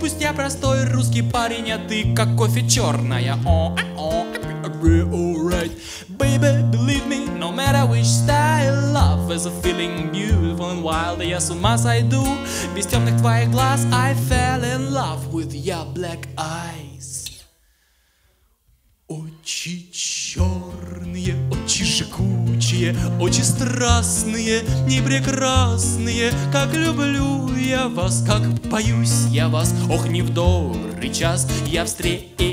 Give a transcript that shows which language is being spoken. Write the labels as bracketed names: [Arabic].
[Russian] Пусть я простой русский парень, а ты как кофе черная. [English] Alright. Baby, believe me, no matter which style, love is a feeling beautiful and wild. [Russian] Я с ума сойду, без темных твоих глаз. [English] I fell in love with your black eyes. [Russian] Очи черные, очи жгучие, очи страстные, непрекрасные, как люблю я вас, как боюсь я вас. Ох, не в добрый час я встретил.